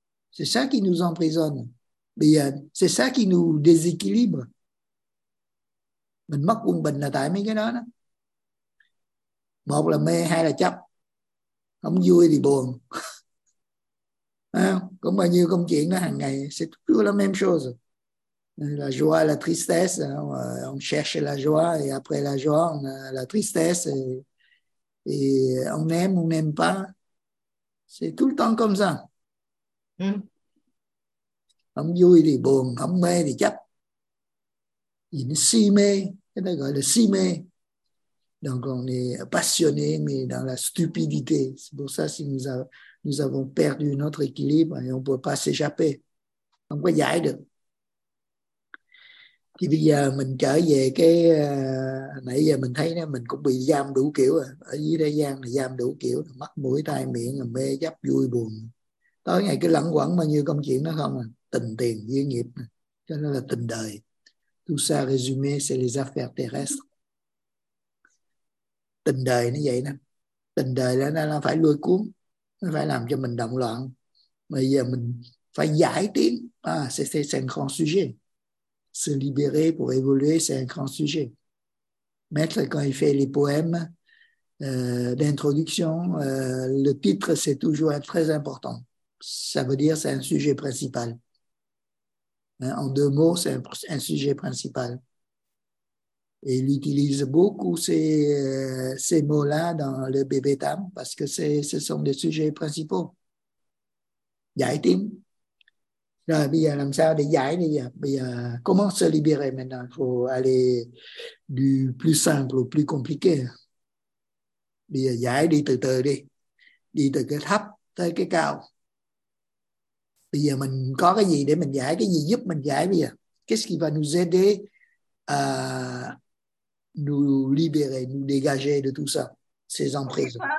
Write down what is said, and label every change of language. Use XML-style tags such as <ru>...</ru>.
<fr>C'est ça qui nous emprisonne. Mais, c'est ça qui nous déséquilibre.</fr> <vi>Mình mất quân bình là tại mấy cái đó. Một là mê, hai là chấp. Không vui thì buồn.</vi> <fr>À,</fr> <vi>cũng bao nhiêu công chuyện đó hàng ngày,</vi> <fr>c'est toujours la même chose, la joie, la tristesse, on cherche la joie et après la joie on a la tristesse et on aime ou on n'aime pas, c'est tout le temps comme ça.</fr> <vi>Không vui thì buồn, không mê thì chấp,</vi> <fr>il est si</fr> <vi>mê, cái đó gọi là si mê.</vi> <fr>Donc on est passionné mais dans la stupidité, c'est pour ça si nous avons nous avons perdu notre équilibre et on ne peut pas s'échapper. On ne peut pas y aller.</fr> <vi>Thì bây giờ mình trở về cái nãy giờ mình thấy nè, mình cũng bị giam đủ kiểu à. Ở dưới thế gian là giam đủ kiểu, mắt mũi tai miệng, mê chấp vui buồn. Tới ngày cứ lẩn quẩn bao nhiêu công chuyện đó không à. Tình tiền, duyên nghiệp. Cho nên là tình đời.</vi> <fr>Tout ça résumé, c'est les affaires terrestres.</fr> <vi>Tình đời nó vậy nè. Tình đời là phải lôi cuốn. Nó phải làm cho mình động loạn. Bây giờ mình phải giải tiến.</vi> <fr>C'est un grand sujet. Se libérer pour évoluer, c'est un grand sujet. Maître, quand il fait les poèmes d'introduction, le titre, c'est toujours très important. Ça veut dire que c'est un sujet principal. Hein, en deux mots, c'est un sujet principal. Et il utilise beaucoup ces mots-là dans le bébé Tam parce que ce sont des sujets principaux.</fr> <vi>Giải tim. Rồi bây giờ làm sao để giải đi? Bây giờ</vi> <fr>comment se libérer maintenant? Il faut aller du plus simple au plus compliqué.</fr> <vi>Bây giờ giải đi từ từ đi. Đi từ cái thấp tới cái cao. Bây giờ mình có cái gì để mình giải? Cái gì giúp mình giải bây giờ?</vi> <fr>Qu'est-ce qui va nous aider à nous libérer, nous dégager de tout ça, ces emprises.</fr>